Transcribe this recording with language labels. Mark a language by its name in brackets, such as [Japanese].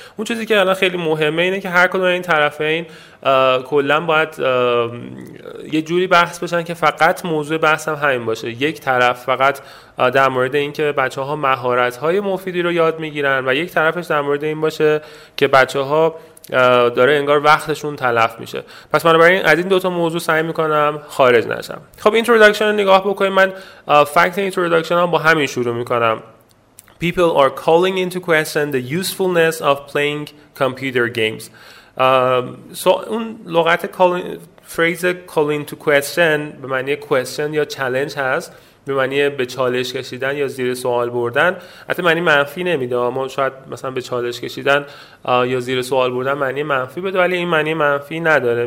[Persian] اون چیزی که الان خیلی مهمه اینه که هر کدوم این طرفین کلن باید یه جوری بحث بشن که فقط موضوع بحث هم همین باشه، یک طرف فقط در مورد این که بچه ها مهارت های مفیدی رو یاد میگیرن و یک طرفش در مورد این باشه که بچه ها داره انگار وقتشون تلف میشه. پس من برای این از این دوتا موضوع سعی میکنم خارج نشم. خب اینتروداکشن رو نگاه بکنیم. من فکت اینتروداکشن هم با همین شروع میکنم. [English] People are calling into question the usefulness of playing computer games. [Persian] اون لغت فریز calling to question به معنی question یا challenge هست، به معنی به چالش کشیدن یا زیر سوال بردن. حتی معنی منفی نمیده، اما شاید مثلا به چالش کشیدن یا زیر سوال بردن معنی منفی بده، ولی این معنی منفی نداره.